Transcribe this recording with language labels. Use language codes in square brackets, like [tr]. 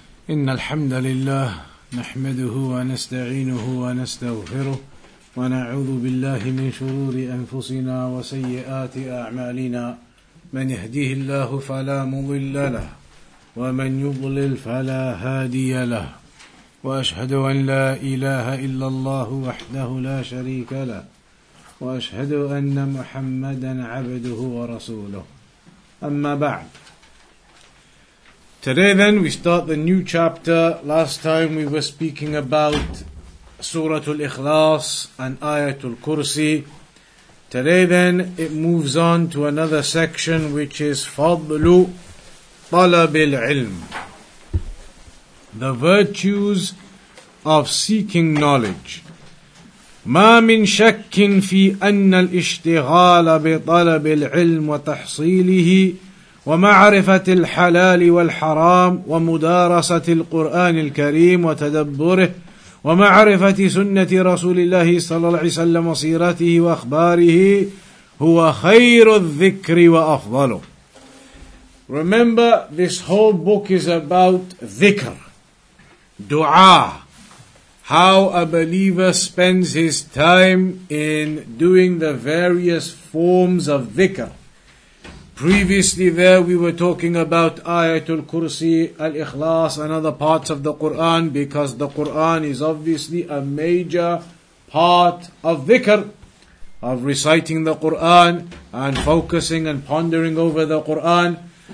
[ar] إن الحمد لله نحمده ونستعينه ونستغفره ونعوذ بالله من شرور أنفسنا وسيئات أعمالنا من يهديه الله فلا مضل له ومن يضلل فلا هادي له وأشهد أن لا إله إلا الله وحده لا شريك له وأشهد أن محمدا عبده ورسوله أما بعد. [en] Today then we start the new chapter. Last time we were speaking about Surah Al-Ikhlas and Ayat Al-Kursi. Today then it moves on to another section, which is Fadlu Talab Al-Ilm, the virtues of seeking knowledge. [ar] ما من شك في أن الاشتغال بطلب العلم وتحصيله ومعرفة الحلال والحرام ومدارسة القرآن الكريم وتدبره ومعرفة سنة رسول الله صلى الله عليه وسلم وسيرته وأخباره هو خير الذكر وأفضله. [en] Remember, this whole book is about dhikr, dua, how a believer spends his time in doing the various forms of dhikr. Previously there we were talking about Ayatul Kursi, Al-Ikhlas and other parts of the Qur'an, because the Qur'an is obviously a major part of dhikr, of reciting the Qur'an and focusing and pondering over the Qur'an.